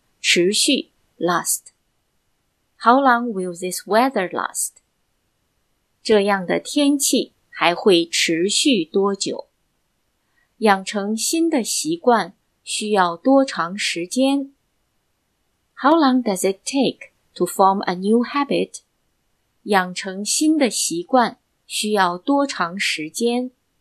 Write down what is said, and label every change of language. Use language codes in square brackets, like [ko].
[en] 持续, last. How long will this weather last? [zh] 这样的天气还会持续多久？养成新的习惯需要多长时间？ [en] How long does it take to form a new habit? [zh] 养成新的习惯需要多长时间？